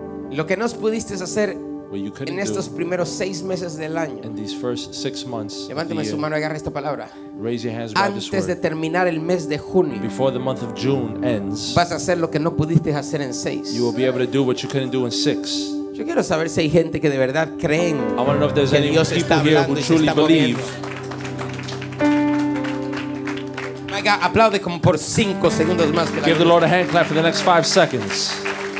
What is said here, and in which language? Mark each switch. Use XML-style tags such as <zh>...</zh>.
<es>Lo que no pudiste hacer en estos primeros 6 meses del año. Levánteme su mano y agarre esta palabra.</es> <en>Raise your hands,</en> <es>antes de terminar el mes de junio.</es> <en>Before the month of June ends.</en> <es>Vas a hacer lo que no pudiste hacer en 6.</es> <en>You will be able to do what you couldn't do in 6.</en> <es>Yo quiero saber si hay gente que de verdad creen.</es> <en>I want to know if there's any people</en> <es>está</es> <en>here who truly believe.</en> <es>Aplaude como por 5 segundos más.</es> <en>Give the Lord a hand clap for the next 5 seconds.</en>